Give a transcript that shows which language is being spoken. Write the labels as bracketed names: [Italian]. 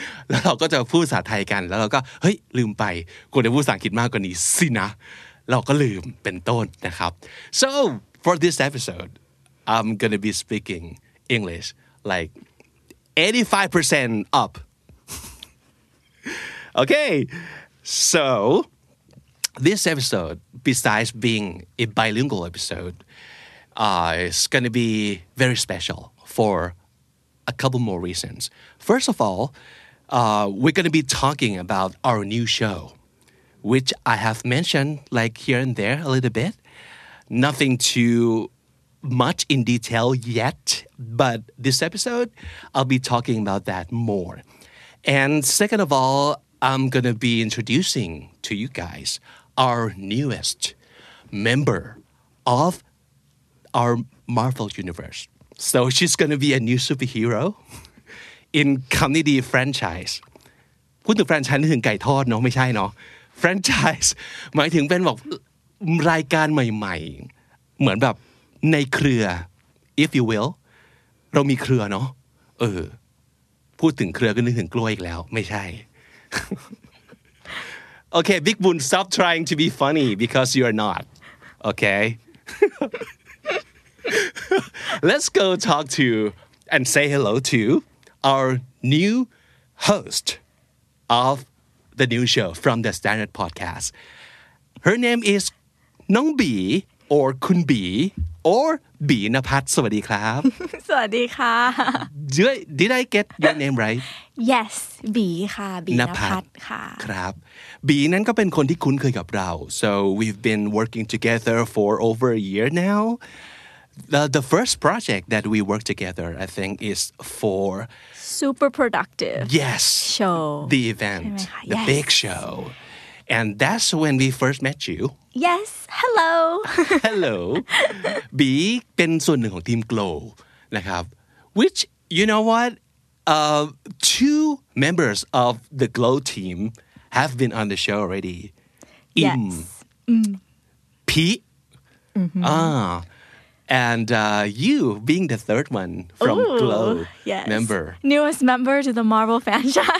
[Thai] แล้วเราก็จะพูดภาษาไทยกันแล้วเราก็เฮ้ยลืมไปควรจะพูดภาษาอังกฤษมากกว่านี้สินะเราก็ลืมเป็นต้นนะครับ [English] So for this episode I'm going to be speaking English like 85% upOkay, so this episode, besides being a bilingual episode, is going to be very special for a couple more reasons. First of all, we're going to be talking about our new show, which I have mentioned like here and there a little bit. Nothing too much in detail yet, but this episode, I'll be talking about that more. And second of all,I'm going to be introducing to you guys our newest member of our Marvel Universe. So she's going to be a new superhero in Comedy Franchise. [Thai] พูดถึง Franchise ถึงไก่ทอดเนาะไม่ใช่เนาะ Franchise หมายถึงเป็นแบบรายการใหม่ๆเหมือนแบบในเครือ [English] if you will [Thai] เรามีเครือเนาะเออพูดถึงเครือก็นึกถึงกล้วยอีกแล้วไม่ใช่ [English] Okay, Big Boon, stop trying to be funny because you are not. Okay? Let's go talk to and say hello to our new host of the new show from the Standard Podcast. Her name is Nong B or Kun B or B Napat. [Thai] สวัสดีครับ สวัสดีค่ะ [English] Did I get your name right? Yes, B ค่ะ B นภัทรค่ะ [Thai] ครับ B นั้นก็เป็นคนที่คุ้นเคยกับเรา [English] So we've been working together for over a year now. The first project that we worked together, I think, is for Super Productive. Yes. Show. The event. The yes. big show. And that's when we first met you. Yes. Hello. Hello. [Thai] B เป็นส่วนหนึ่งของทีม Glow นะครับ [English] Which, you know what? Two members of the GLOW team have been on the show already. Yes. Im. Pete. Mm-hmm. And you being the third one from Ooh, GLOW yes. member. Newest member to the Marvel franchise.